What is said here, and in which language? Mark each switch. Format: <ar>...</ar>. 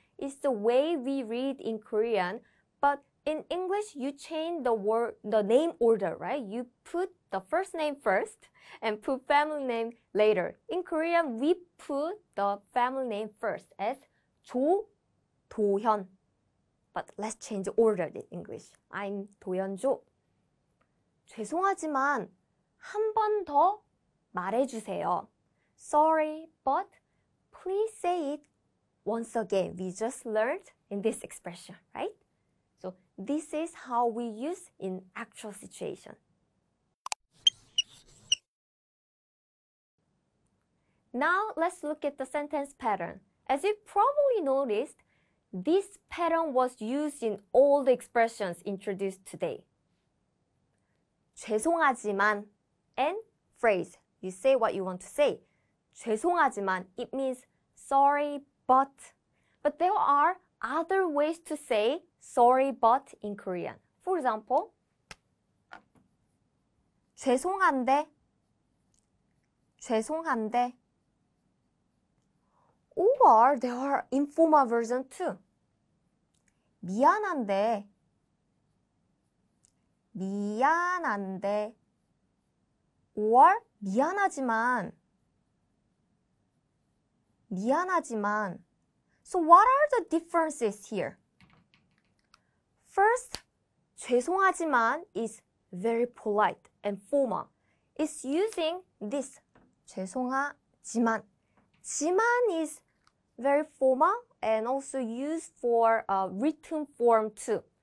<en>It's the way we read in Korean, but in English, you change the word, the name order, right? You put the first name first and put family name later. In Korean, we put the family name first as 조도현. But let's change the order in English. I'm 도현조.</en> <ko>죄송하지만 한 번 더 말해주세요.</ko> <en>Sorry, but please say it once again. We just learned in this expression, right? So this is how we use in actual situation. Now let's look at the sentence pattern. As you probably noticed, this pattern was used in all the expressions introduced today.</en> <ko>죄송하지만</ko> <en>and phrase. You say what you want to say.</en> <ko>죄송하지만</ko> <en>it means sorry but. But there are other ways to say sorry but in Korean. For example,</en> <ko>죄송한데 죄송한데</ko> <en>or there are informal version too.</en> <ko>미안한데 미안한데 or 미안하지만 미안하지만</ko> <en>So what are the differences here? First,</en> <ko>죄송하지만</ko> <en>is very polite and formal. It's using this</en> <ko>죄송하지만</ko> <en>지만 is very formal and also used for a written form too.</en>